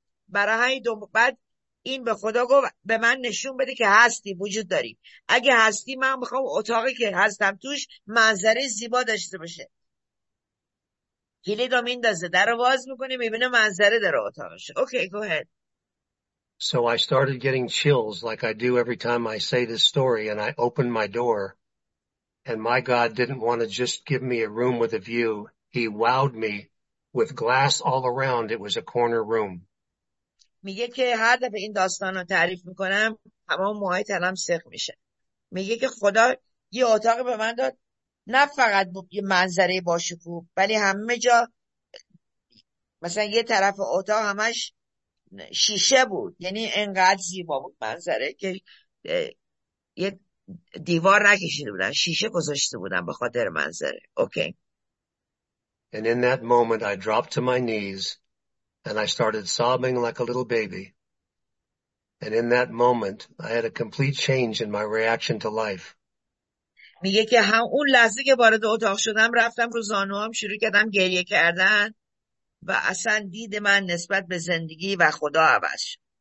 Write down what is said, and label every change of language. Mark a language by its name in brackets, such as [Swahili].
[Persian] برای همین بعد این به خدا گفت به من نشون بده که هستی، وجود داری. اگه هستی، من میخوام اتاقی که هستم توش منظره زیبا داشته باشه. کلیدو میندازه، درو باز میکنه، میبینه منظره در اتاقش. [English] Okay, go ahead. So I started getting chills like I do every time I say this story and I opened my door And my God didn't want to just give me a room with a view. He wowed me with glass all around. It was a corner room. [Persian] میگه که هر دفعه این داستان رو تعریف میکنم تمام موهای تنم سرخ میشه. میگه که خدا یه اتاق به من داد، نه فقط یه منظره باشکوه، ولی همه جا مثلا یه طرف اتاق همش شیشه بود، یعنی انقدر زیبا بود منظره که یه دیوار نکشیده بودن، شیشه گذاشته بودن به خاطر منظره. [English] Okay. And in that moment, I dropped to my knees and I started sobbing like a little baby. And in that moment, I had a complete change in my reaction to life. [Persian] میگه که هم اون لحظه که وارد اتاق شدم رفتم رو زانوام شروع کردم گریه کردن و اصلا دید من نسبت به زندگی و خدا عوض شد.